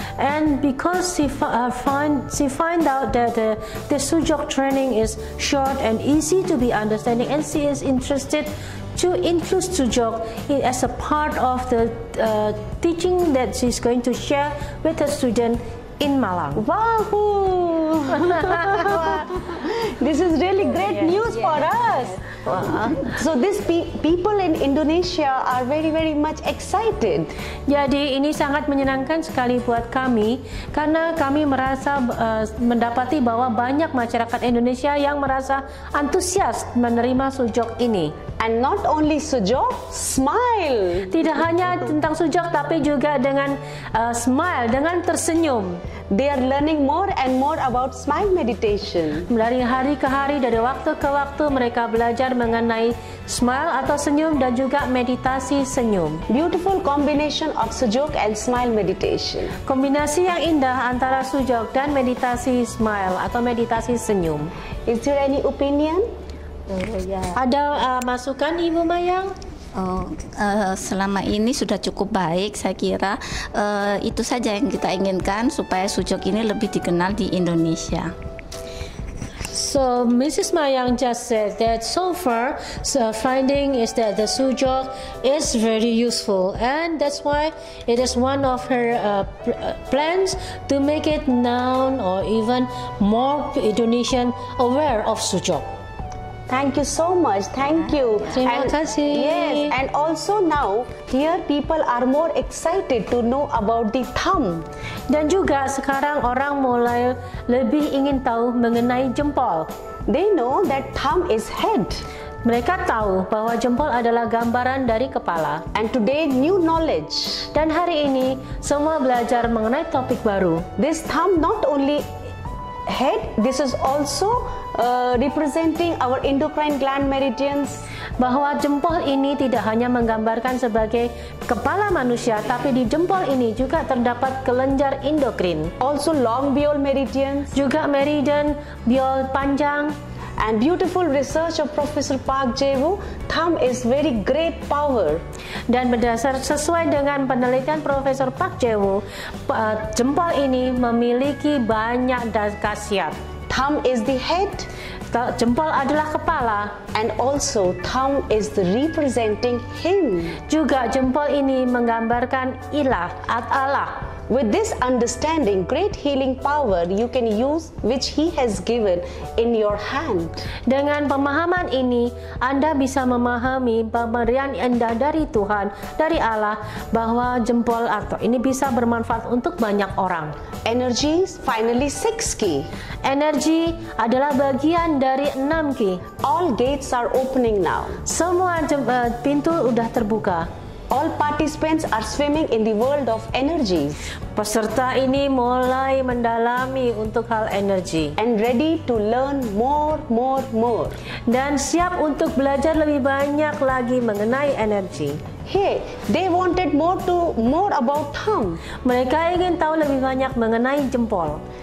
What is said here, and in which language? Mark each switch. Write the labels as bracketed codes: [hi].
[en] And because she find out that the sujuk training is short and easy to be understanding, and she is interested to include sujuk as a part of the teaching that she's going to share with her student in Malang. Wow! This is really great news for us. So this people in Indonesia are very very much excited. [id] Jadi ini sangat menyenangkan sekali buat kami karena kami merasa mendapati bahwa banyak masyarakat Indonesia yang merasa antusias menerima sujuk ini. [en] And not only sujuk, smile. [id] Tidak hanya tentang sujuk tapi juga dengan smile, dengan tersenyum. [en] They are learning more and more about smile meditation. [id] Dari hari ke hari, dari waktu ke waktu, mereka belajar mengenai smile atau senyum dan juga meditasi senyum. [en] Beautiful combination of sujuk and smile meditation. [id] Kombinasi yang indah antara sujuk dan meditasi smile atau meditasi senyum. [en] Is there any opinion? [id] Ada masukan Ibu Mayang? Selama ini sudah cukup baik, saya kira itu saja yang kita inginkan supaya sujuk ini lebih dikenal di Indonesia. [en] So Mrs. Mayang just said that so far the finding is that the sujok is very useful, and that's why it is one of her plans to make it known or even more Indonesian aware of sujok. Thank you so much. Thank you. [id] Terima kasih. [en] Yes, and also now here people are more excited to know about the thumb. [id] Dan juga sekarang orang mulai lebih ingin tahu mengenai jempol. [en] They know that thumb is head. [id] Mereka tahu bahwa jempol adalah gambaran dari kepala. [en] And today new knowledge. [id] Dan hari ini semua belajar mengenai topik baru. [en] This thumb not only head, this is also representing our endocrine gland meridians. [id] Bahwa jempol ini tidak hanya menggambarkan sebagai kepala manusia, tapi di jempol ini juga terdapat kelenjar endokrin. [en] Also long bowel meridians. [id] Juga meridian bowel panjang. [en] And beautiful research of Professor Park Jae-woo, thumb is very great power. [id] Dan berdasarkan sesuai dengan penelitian Profesor Park Jae-woo, jempol ini memiliki banyak khasiat. [en] Thumb is the head. [id] Jempol adalah kepala. [en] And also thumb is the representing him. [id] Juga jempol ini menggambarkan ilah at Allah. [en] With this understanding, great healing power you can use which he has given in your hand. [id] Dengan pemahaman ini, Anda bisa memahami pemberian Anda dari Tuhan, dari Allah, bahwa jempol atau ini bisa bermanfaat untuk banyak orang. [en] Energy is finally six key. [id] Energy adalah bagian dari 6 key. [en] All gates are opening now. [id] Semua pintu sudah terbuka. [en] All participants are swimming in the world of energy. [id] Peserta ini mulai mendalami untuk hal energi. [en] And ready to learn more, more, more. [id] Dan siap untuk belajar lebih banyak lagi mengenai energi. [en] Hey, they wanted more about thumb. [id] Mereka ingin tahu lebih banyak mengenai jempol.